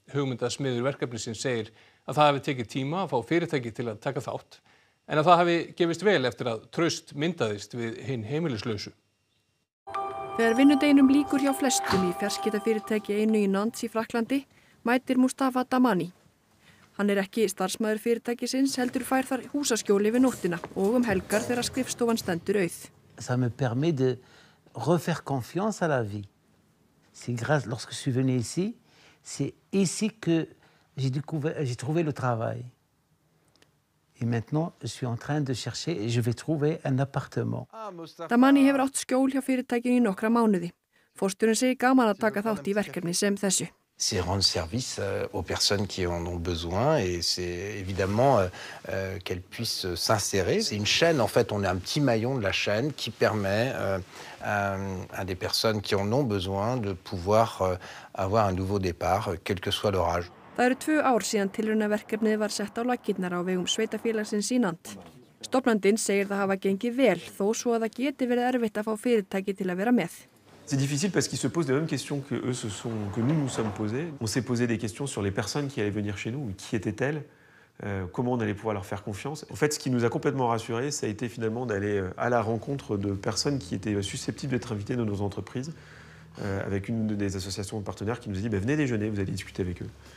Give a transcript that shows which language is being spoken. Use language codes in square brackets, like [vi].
[is] Hugmyndasmiður verkefnisins segir að það hafi tekið tíma að fá fyrirtæki til að taka þátt en að það hafi gefist vel eftir að traust myndaðist við hinn heimilislausu. Þegar vinnudeginum líkur hjá flestum í fjarskiptafyrirtæki einu í Nantes í Frakklandi mætir Mustafa Damani. Hann er ekki starfsmaður fyrirtækisins, heldur fær þar húsaskjóli við nóttina og helgar þegar skrifstofan stendur auð. [fr] Ça me permet de refaire confiance à la vie. C'est grâce lorsque je suis venu ici, c'est ici que j'ai trouvé le travail. Et maintenant, je suis en train de chercher et je vais trouver un appartement. [is] Damani hefur átt skjól hjá fyrirtækinu í nokkra mánuði. Forstjórinn segir gaman að taka þátt í verkefni sem þessu. [fr] C'est rendre service aux personnes qui en ont besoin et c'est évidemment qu'elles puissent s'insérer. C'est une chaîne, en fait, on est un petit maillon de la chaîne qui permet à des personnes qui en ont besoin de pouvoir avoir un nouveau départ, quel que soit leur âge. [is] Það eru tvö ár síðan tilraunaverkefnið var sett á laggirnar á vegum sveitafélagsins í Nant. Stofnandinn segir það hafa gengið vel, þó svo að það geti verið erfitt að fá fyrirtæki til að vera með. [fr] C'est difficile parce qu'ils se posent les mêmes questions que eux se sont que nous nous sommes posés. On s'est posé des questions sur les personnes qui allaient venir chez nous, qui étaient-elles, comment on allait pouvoir leur faire confiance. En fait, ce qui nous a complètement rassuré, ça a été finalement d'aller à la rencontre de personnes qui étaient susceptibles d'être invitées dans nos entreprises, avec une des associations de partenaires qui nous a dit venez déjeuner, vous allez discuter avec eux.